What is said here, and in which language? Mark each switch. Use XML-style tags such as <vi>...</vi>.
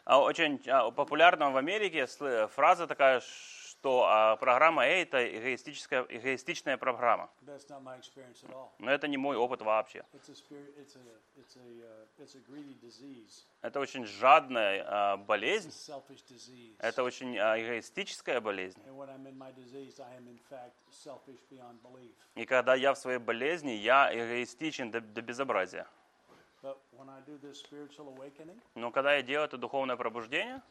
<ru>А очень популярна в Америке фраза такая, что программа A — это эгоистичная программа.</ru> <en>That's not my experience at all.</en> <ru>Но это не мой опыт вообще.</ru> <en>It's a greedy disease.</en> <ru>Это очень жадная болезнь.</ru> <en>It's a selfish disease.</en> <ru>Это очень эгоистическая болезнь.</ru> <en>And when I'm in my disease, I am in fact selfish beyond belief.</en> <ru>И когда я в своей болезни, я эгоистичен до безобразия.</ru> <en>But when I do this spiritual awakening,</en> <ru>но когда я делаю это духовное пробуждение,</ru>